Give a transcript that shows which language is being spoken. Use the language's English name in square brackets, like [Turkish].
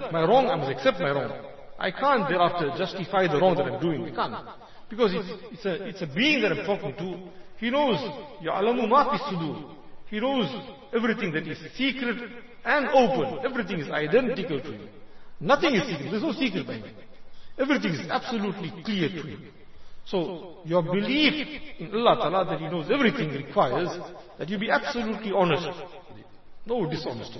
[English] My wrong, I must accept my wrong. I can't thereafter justify the wrong that I am doing. I can't. Because it's a being that I am talking to. He knows [Arabic] يَعْلَمُ مَا فِي الصُّدُورِ. [English] He knows everything that is secret and open. Everything is identical to him. Nothing is secret. There is no secret by him. Everything is absolutely clear to him. So your belief in Allah Ta'ala that he knows everything requires that you be absolutely honest. No dishonesty.